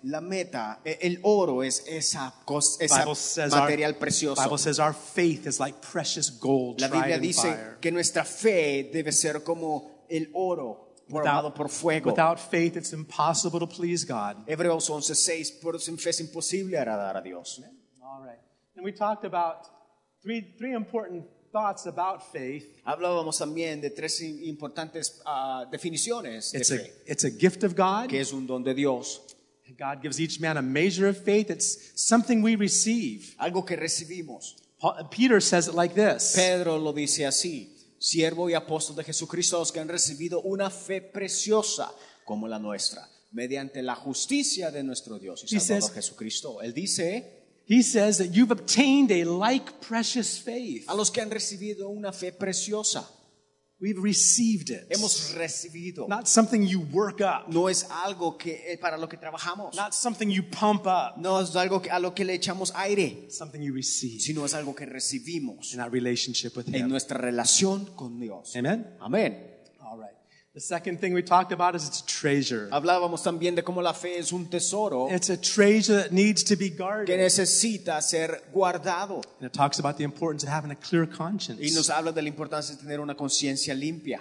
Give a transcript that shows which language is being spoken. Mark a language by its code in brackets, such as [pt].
[es] La meta, el oro es esa cosa, esa material precioso. [en] The Bible says our faith is like precious gold tried in fire. [es] La Biblia dice que nuestra fe debe ser como el oro probado por fuego. [en] Without faith, it's impossible to please God. [es] Hebreos 11:6, por sin fe es imposible agradar a Dios. [en] All right. And we talked about three important thoughts about faith. [es] Hablábamos también de tres importantes definiciones de fe. [en] It's a gift of God. [es] Que es un don de Dios. [en] God gives each man a measure of faith. It's something we receive. [es] Algo que recibimos. [en] Peter says it like this. [es] Pedro lo dice así. Siervo y apóstol de Jesucristo, los que han recibido una fe preciosa como la nuestra, mediante la justicia de nuestro Dios y Salvador Jesucristo. Él dice, [en] he says that you've obtained a like precious faith. [es] A los que han recibido una fe preciosa. [en] We've received it. [es] Hemos recibido. [en] Not something you work up. [es] No es algo que para lo que trabajamos. [en] Not something you pump up. [es] No es algo que, a lo que le echamos aire. [en] Something you receive. [es] Sino es algo que recibimos. [en] In our relationship with [es] en [en] Him. [es] En nuestra relación con Dios. [en] Amen. Amen. All right. The second thing we talked about is it's a treasure. [es] Hablábamos también de cómo la fe es un tesoro. [en] It's a treasure that needs to be guarded. [es] Que necesita ser guardado. [en] And it talks about the importance of having a clear conscience. [es] Y nos habla de la importancia de tener una conciencia limpia.